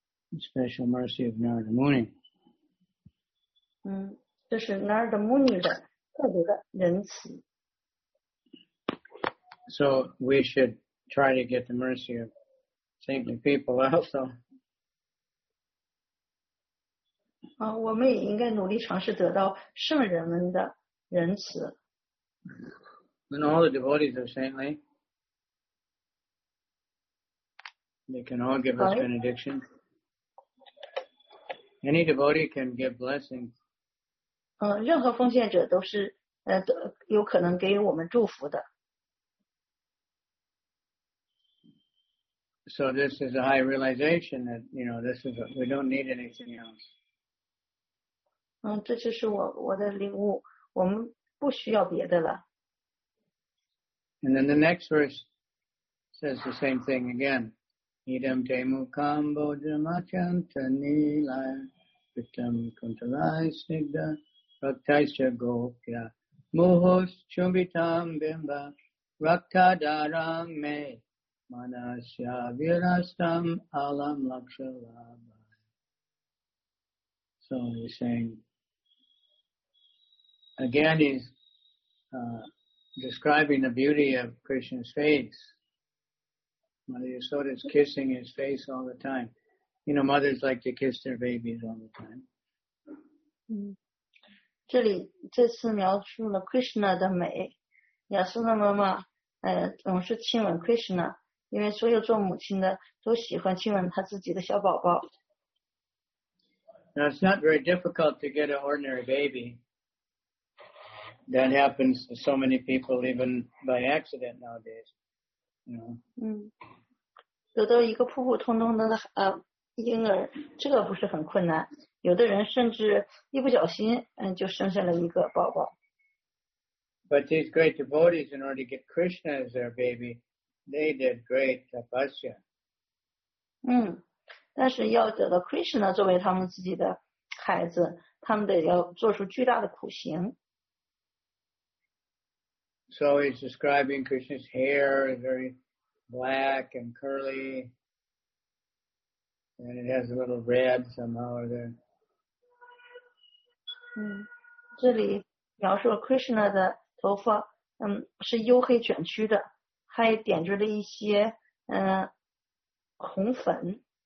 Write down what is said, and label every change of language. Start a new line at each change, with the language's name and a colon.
English: The special mercy of Narada Muni.
Chinese: 这是 Narada Muni 的特别的仁慈。
English: So we should try to get the mercy of saintly people also.
Chinese: 我们也应该努力尝试得到圣人们的仁慈。
English: When all the devotees are saintly, they can all give us benediction. Any devotee can give blessings.
Chinese: 任何奉献者都是有可能给我们祝福的。
English: So this is a high realization that, you know, we don't need anything else.
Chinese: 这就是我的领悟，我们不需要别的了。
English: And then the next verse says the same thing again.
Sanskrit: Idam te mukham bojamachanta nilaya pritam kuntalai snigda raktaisya gopya muhos chumbitam bimba raktadaram me manasya virastam alam lakshalabha.
English: So he's saying, again he'sDescribing the beauty of Krishna's face. Mother Yasoda is kissing his face all the time. You know, mothers like to kiss their babies all the time.
Chinese: 这里这次描述了 Krishna 的美。亚苏的妈妈总是亲吻 Krishna， 因为所有做母亲的都喜欢亲吻他自己的小宝宝。
English: Now it's not very difficult to get an ordinary baby. That happens to so many people even by accident nowadays. You know?
Chinese: 得到一个普普通通的婴儿，这个不是很困难。有的人甚至一不小心就生下了一个宝宝。
English: But these great devotees, in order to get Krishna as their baby, they did great tapasya.
Chinese: 但是要得到 Krishna 作为他们自己的孩子，他们得要做出巨大的苦行。
English: So he's describing Krishna's hair is very black and curly, and it has a little red somehow or other.
Chinese: 嗯，这里描述 Krishna 的头发，嗯，是黝黑卷曲的，还点缀了一些红粉。